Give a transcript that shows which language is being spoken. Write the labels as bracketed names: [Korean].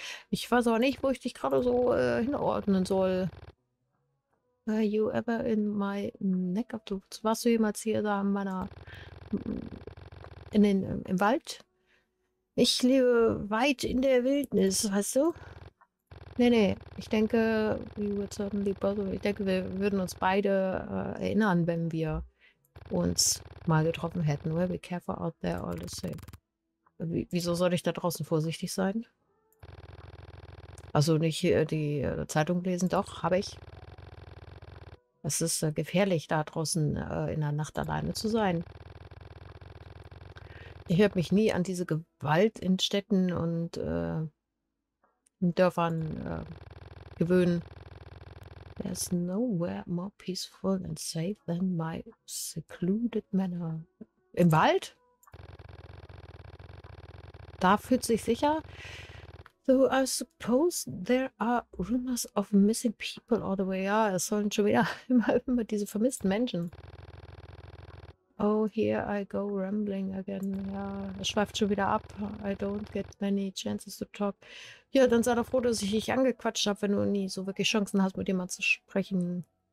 [German] Ich weiß auch nicht, wo ich dich gerade so hinordnen soll. [English] Were you ever in my neck of the woods? [German] Warst du jemals hier da in meiner in den im Wald? Ich lebe weit in der Wildnis, weißt du? Nee, nee. Ich denke, wir würden uns beide erinnern, wenn wir uns mal getroffen hätten. [English] We'll be careful out there all the same. [German] Wieso soll ich da draußen vorsichtig sein? Also nicht die Zeitung lesen, doch, habe ich. Es ist gefährlich, da draußen in der Nacht alleine zu sein. Ich habe mich nie an diese Gewalt in Städten und in Dörfern gewöhnen. [English] There's nowhere more peaceful and safe than my secluded manor. [German] Im Wald? Da fühlt sich sicher. [English] So, I suppose there are rumors of missing people all the way. [German] Ja, es sollen schon wieder immer diese vermissten Menschen. [English] Oh, here I go rambling again. [German] Ja, es schweift schon wieder ab. [English] I don't get many chances to talk. [German] Ja, dann sei doch froh, dass ich dich angequatscht habe, wenn du nie so wirklich Chancen hast, mit jemandem zu sprechen.